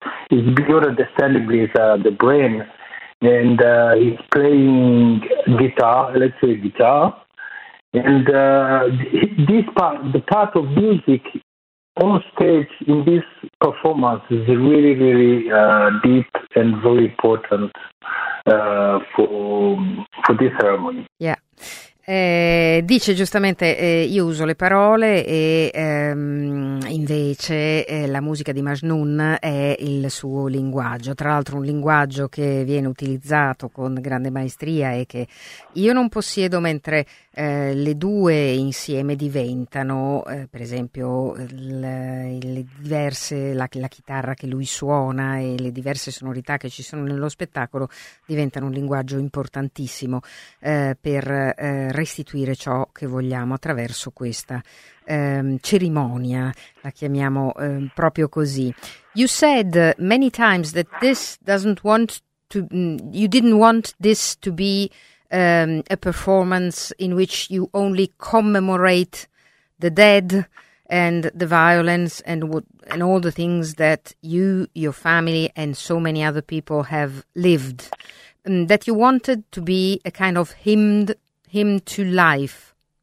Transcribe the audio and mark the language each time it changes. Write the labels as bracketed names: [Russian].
[English] It's beyond understanding with the brain. And he's playing guitar, electric guitar. And this part, the part of music, on stage in this performance is really, really deep and very important for this ceremony. Yeah. [Italian] Dice giustamente io uso le parole e invece la musica di Majnun è il suo linguaggio, tra l'altro un linguaggio che viene utilizzato con grande maestria e che io non possiedo, mentre le due insieme diventano, per esempio la chitarra che lui suona e le diverse sonorità che ci sono nello spettacolo diventano un linguaggio importantissimo per restituire ciò che vogliamo attraverso questa cerimonia, la chiamiamo proprio così. [English] You said many times that this doesn't want to, you didn't want this to be a performance in which you only commemorate the dead and the violence and all the things that you, your family, and so many other people have lived, that you wanted to be a kind of hymn to life.